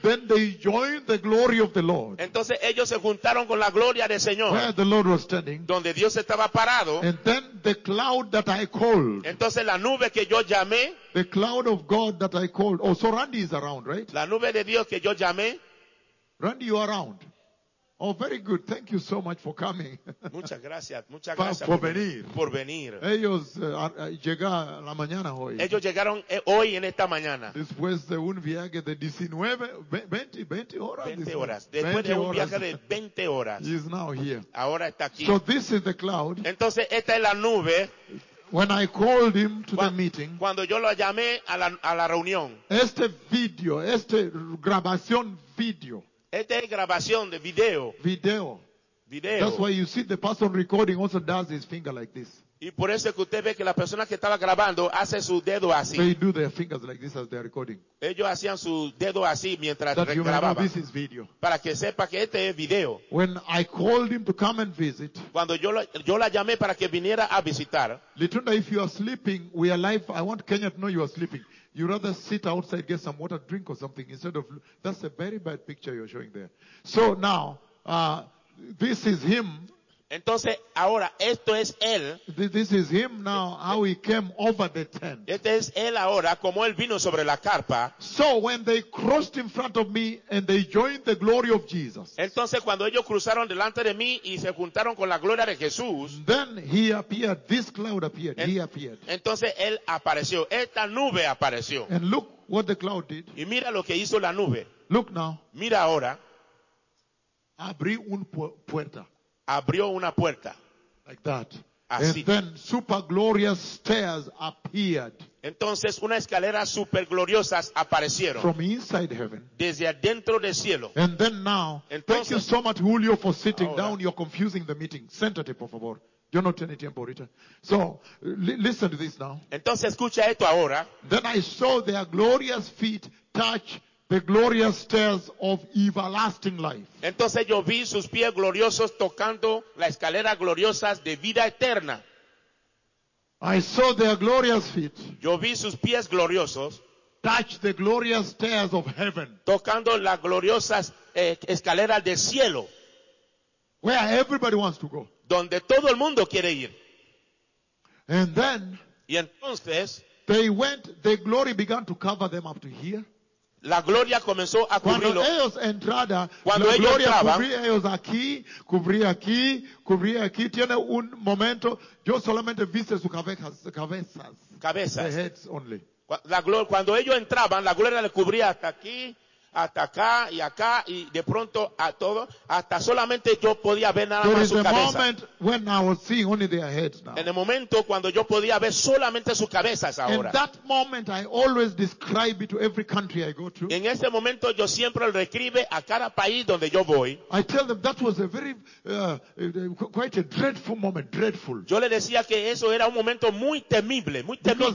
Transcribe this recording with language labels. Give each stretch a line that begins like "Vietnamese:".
English: then they joined the glory of the Lord.
Spanish: Entonces ellos se juntaron con la gloria del Señor.
English: Where the Lord was standing.
Spanish: Donde Dios estaba parado.
English: And then the cloud that I called.
Spanish: Entonces la nube que yo llamé.
English: The cloud of God that I called. Oh, so Randy is around, right?
Spanish: La nube de Dios que yo llamé.
English: Randy, you are around. Oh, very good. Thank you so much for coming.
Spanish: Muchas gracias. Muchas gracias por venir. Por venir. Ellos llegaron la mañana hoy. Ellos llegaron hoy en esta mañana. Después de un viaje de 20 horas. 20 horas. Después de un viaje de 20 horas.
English: He is now here.
Spanish: Ahora está aquí.
English: So this is the cloud.
Spanish: Entonces esta es la nube.
English: When I called him to the meeting,
Spanish: cuando yo lo llamé a la reunión, este video, este grabación video, esta es grabación de video, video.
English: That's why you see the person recording also does his finger like this.
Spanish: Y por eso es que usted ve que la persona que estaba grabando hace su dedo así.
English: They do their fingers like this as they are recording.
Spanish: Ellos hacían su dedo así mientras
English: that you
Spanish: grababan.
English: Know this is video.
Spanish: Para que sepa que este es video.
English: When I called him to come and visit.
Spanish: Cuando yo la llamé para que viniera a visitar.
English: Litunda, if you are sleeping, we are live. I want Kenya to know you are sleeping. You rather sit outside, get some water, drink or something instead of. That's a very bad picture you're showing there. So now, this is him.
Spanish: Entonces, ahora, esto es él.
English: This is him now, how he came over the tent.
Spanish: Este es él ahora, como él vino sobre la carpa.
English: So, when they crossed in front of me and they joined the glory of Jesus.
Spanish: Entonces, cuando ellos cruzaron delante de mí y se juntaron con la gloria de Jesús.
English: Then he appeared, this cloud appeared, he appeared.
Spanish: Entonces, él apareció, esta nube apareció.
English: And look what the cloud did.
Spanish: Y mira lo que hizo la nube.
English: Look now.
Spanish: Mira ahora. Abrí una puerta. Abrió una puerta.
English: Like that.
Spanish: Así.
English: And then super glorious stairs appeared.
Spanish: Entonces unas escaleras super gloriosas aparecieron.
English: From inside heaven.
Spanish: Desde adentro del cielo.
English: And then now,
Spanish: entonces,
English: thank you so much, Julio, for sitting ahora. Down. You're confusing the meeting.
Spanish: Séntate, por favor. Yo no tengo tiempo ahorita.
English: So, listen to this now.
Spanish: Entonces escucha esto ahora.
English: Then I saw their glorious feet touch the glorious stairs of everlasting life.
Spanish: Entonces yo vi sus pies gloriosos tocando las escaleras gloriosas de vida eterna.
English: I saw their glorious feet.
Spanish: Yo vi sus pies gloriosos.
English: Touch the glorious stairs of heaven.
Spanish: Tocando las gloriosas escaleras del cielo.
English: Where everybody wants to go.
Spanish: Donde todo el mundo quiere ir.
English: And then.
Spanish: Y entonces.
English: They went. The glory began to cover them up to here.
Spanish: La gloria comenzó a cubrirlo. Cuando ellos entraban, cuando la ellos gloria entraban, cubría ellos aquí, cubría aquí, cubría aquí. Tiene un momento, yo solamente viste sus cabezas.
English: The heads only.
Spanish: Cuando ellos entraban, la gloria le cubría hasta aquí, hasta acá y acá, y de pronto a todo, hasta solamente yo podía ver nada
English: there
Spanish: más su a cabeza.
English: Moment when I was seeing only their heads now.
Spanish: En el momento cuando yo podía ver solamente sus cabezas ahora.
English: In that moment I always describe it to every country I go to.
Spanish: En ese momento yo siempre lo describe a cada país donde yo voy.
English: I tell them that was a very quite a dreadful moment, dreadful.
Spanish: Yo le decía que eso era un momento muy temible, muy temible.